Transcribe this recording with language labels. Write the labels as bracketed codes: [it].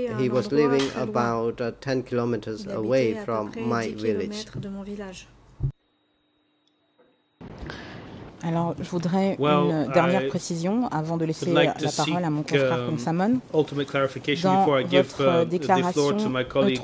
[en] He was living about 10 kilometers away from my village. [fr] Alors, je voudrais une dernière précision avant de laisser la parole à mon confrère Kong Samon. [en] Ultimate clarification before I give the floor to my colleague